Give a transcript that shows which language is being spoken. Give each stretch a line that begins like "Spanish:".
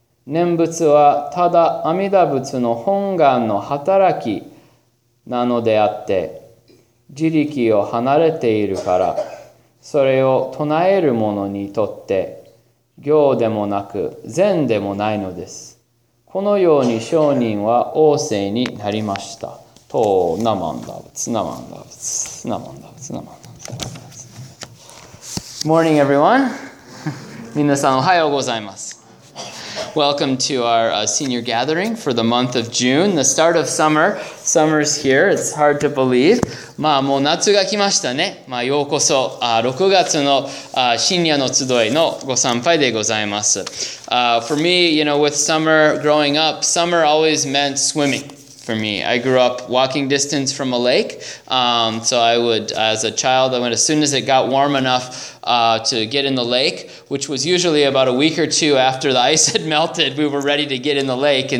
Japanese: 念仏はただ阿弥陀仏の本願の働きなのであって自力を離れているからそれを唱える者にとって行でもなく善でもないのです。このように商人は旺盛になりました。と、ナマンダブツ、ナマンダブツ、ナマンダブツ、ナマンダブツ。
English: Morning, everyone.
Japanese: 皆さん、おはようございます。
English: Welcome to our senior gathering for the month of June, the start of summer. Summer's here, it's hard to believe.
Japanese: まあ、もう夏が来ましたね。まあ、ようこそ、6月の深夜の集いのご参拝でございます。
English: For me, you know, with summer growing up, summer always meant swimming. For me, I grew up walking distance from a lake. So I would, as a child, I went as soon as it got warm enough to get in the lake, which was usually about a week or two after the ice had melted, we were ready to get in the lake.